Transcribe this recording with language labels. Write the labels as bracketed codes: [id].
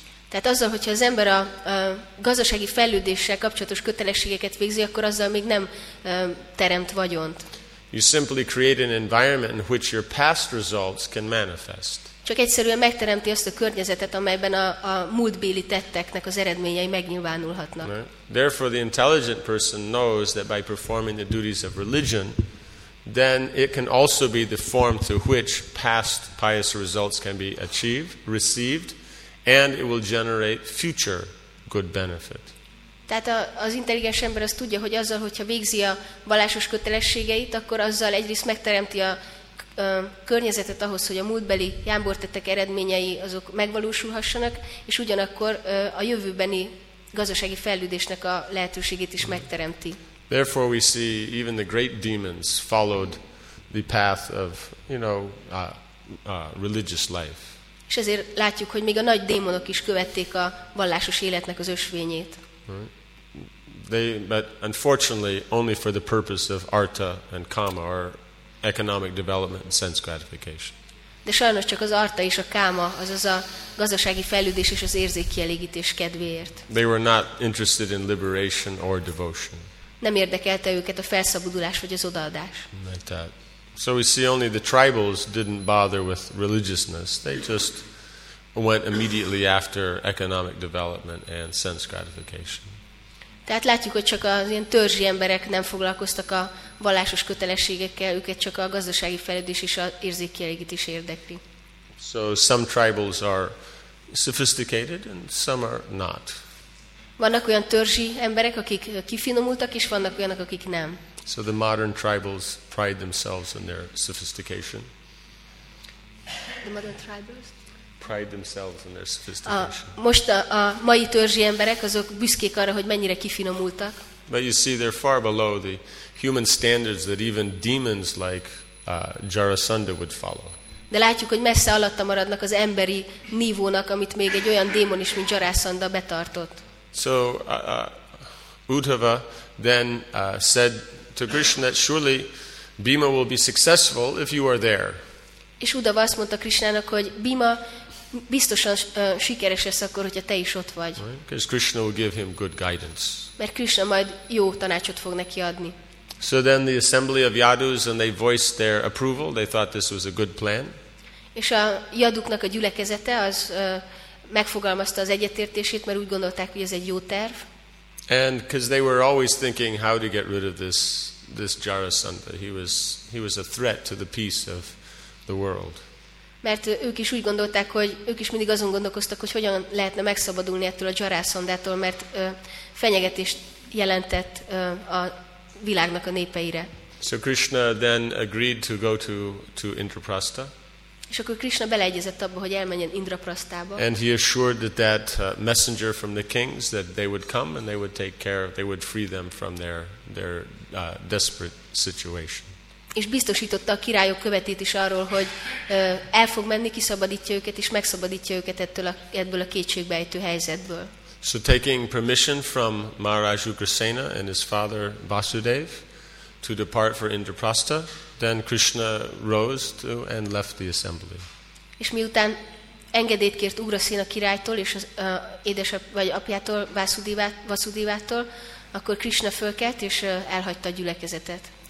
[hu] Tehát azzal, hogyha az ember a gazdasági fejlődéssel kapcsolatos kötelességeket végzi, akkor azzal még nem teremt vagyont. [en] You simply create an environment in which your past results can manifest. [hu] Csak egyszerűen megteremti azt a környezetet, amelyben a múltbéli tetteknek az eredményei megnyilvánulhatnak. [en] Therefore, the intelligent person knows that by performing the duties of religion, then it can also be the form through which past pious results can be received, and it will generate future good benefit. [hu] Tehát az intelligens ember azt tudja, hogy azzal, hogyha végzi a vallásos kötelességeit, akkor azzal egyrészt megteremti a környezetet ahhoz, hogy a múltbeli jámbortettek eredményei azok megvalósulhassanak, és ugyanakkor a jövőbeni gazdasági fejlődésnek a lehetőségét is megteremti. [en] Therefore we see even the great demons followed the path of, you know, religious life. [hu] És ezért látjuk, hogy még a nagy démonok is követték a vallásos életnek az ösvényét. [en] But unfortunately only for the purpose of artha and kama, or economic development and sense gratification. [hu] De sajnos csak az artha és a káma, azaz a gazdasági fejlődés és az érzékkielégítés kedvéért. [en] They were not interested in liberation or devotion. [hu] Nem érdekelte őket a felszabadulás vagy az odaadás. [en] Like that. So we see only the tribals didn't bother with religiousness. They just went immediately after economic development and sense gratification. [hu] Tehát látjuk, hogy csak az ilyen törzsi emberek nem foglalkoztak a vallásos kötelességekkel, őket csak a gazdasági fejlődés és az érzékkielégítés érdekli. [en] So some tribals are sophisticated and some are not. [hu] Vannak olyan törzsi emberek, akik kifinomultak, és vannak olyanok, akik nem. [en] So the modern tribals pride themselves in their sophistication. The modern tribals pride themselves in their sophistication. [hu] Most a mai törzsi emberek azok büszkék arra, hogy mennyire kifinomultak. [en] But you see, they're far below the human standards that even demons like Jarasandha would follow. [hu] De látjuk, hogy messze alatta maradnak az emberi nívónak, amit még egy olyan démon is, mint Jarasandha betartott. [en] So Uddhava then said to Krishna that surely Bhima will be successful if you are there. [hu] És Uddhava azt mondta Krishnának, hogy Bhima biztosan sikeres lesz akkor, hogyha te is ott vagy. [en] Because Krishna will give him good guidance. [hu] Mert Krishna majd jó tanácsot fog neki adni. [en] So then the assembly of Yadus, and they voiced their approval. They thought this was a good plan. [hu] És a Yaduknak a gyülekezete az megfogalmazta az egyetértését, mert úgy gondolták, hogy ez egy jó terv. [en] And because they were always thinking how to get rid of this Jarasandha. He was a threat to the peace of the world. [hu] Mert ők is úgy gondolták, hogy ők is mindig azon gondolkoztak, hogy hogyan lehetne megszabadulni ettől a Jarasandhától, mert fenyegetést jelentett a világnak a népeire. [en] So Krishna then agreed to go to Indraprastha. [hu] És akkor Krishna beleegyezett abba, hogy elmenjen Indraprasthába. [en] And he assured that messenger from the kings that they would come and they would take care, they would free them from their desperate situation. [hu] És biztosította a királyok követét is arról, hogy el fog menni, kiszabadítja őket, és megszabadítja őket ebből a kétségbejtő helyzetből. [en] So taking permission from Maharaj Ugrasena and his father Vasudev to depart for Indraprastha, then Krishna rose to and left the assembly. [hu] És miután engedélyt kért Ugrasena királytól és az apjától, Vasudevától, akkor Krishna fölkelt és elhagyta a gyülekezetet.